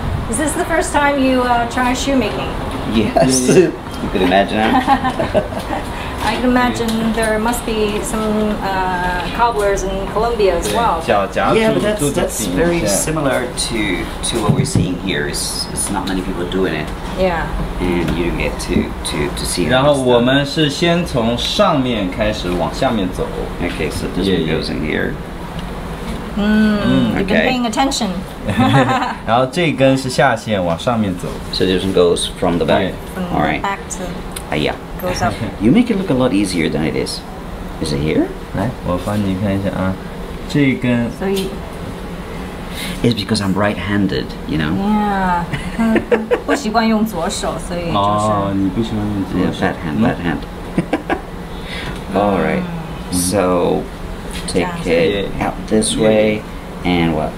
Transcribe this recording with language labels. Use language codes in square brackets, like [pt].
[en] Is this the first time you try shoemaking? Yes, you could imagine that. I can imagine there must be some cobblers in Colombia as well. Yeah, but that's very similar to what we're seeing here. It's not many people doing it. Yeah. And you get to see it. [zh] 然后我们是先从上面开始往下面走。 [en] Okay, so this one goes in here. You've been paying attention. [zh] 然后这根是下线往上面走。 [en] So this one goes from the back. From the back to... Yeah. You make it look a lot easier than it is. Is it here? [zh] 来，我帮你看一下啊，这根。 [en] So you... It's because I'm right-handed, you know? Yeah. [zh] 不习惯用左手，所以就是。哦，你不喜欢用左手。 [en] Yeah, bad hand. All right. So, take it out this way, and what?